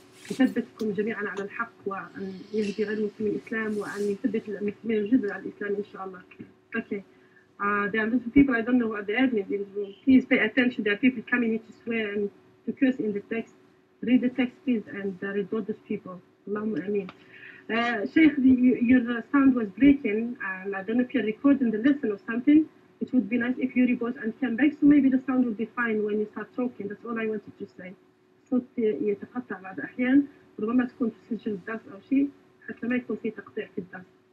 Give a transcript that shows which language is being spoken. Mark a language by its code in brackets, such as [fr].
[ar] يثبتكم جميعا على الحق وأن يهدي غير المسلمين الإسلام وأن يثبت المسلمين الجذر على الإسلام إن شاء الله. [en] Okay. There are some people I don't know what they are in this room. Please pay attention. There are people coming here to swear and to curse in the text. Read the text, please, and reward those people. Allahumma ameen. Sheikh, your sound was breaking. And I don't know if you're recording the lesson or something. It would be nice if you report and come back. So maybe the sound will be fine when you start talking. That's all I wanted to say. [ar] صوت يتقطع بعض الأحيان ربما تكون تسجل الدرس أو شيء حتى ما يكون في تقطيع في الدرس.